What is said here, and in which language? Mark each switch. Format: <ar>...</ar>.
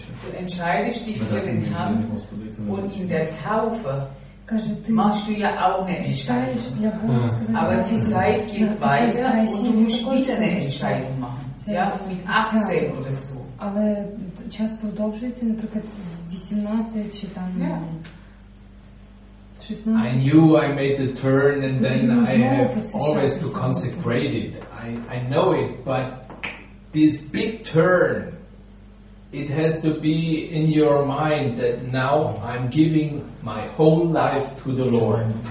<de>Du entscheidest dich für den Herrn und in der Taufe machst du ja auch eine Entscheidung. Aber die Zeit geht weiter und du musst wieder eine Entscheidung machen. Ja, mit 18 oder so.</de> <uk>Aber час продовжується, наприклад, з 18 чи там 16.</uk> <en>I knew I made the turn and then I have always to consecrate it. I know it, but this big turn, it has to be in your mind that now I'm giving my whole life to the Lord.</en>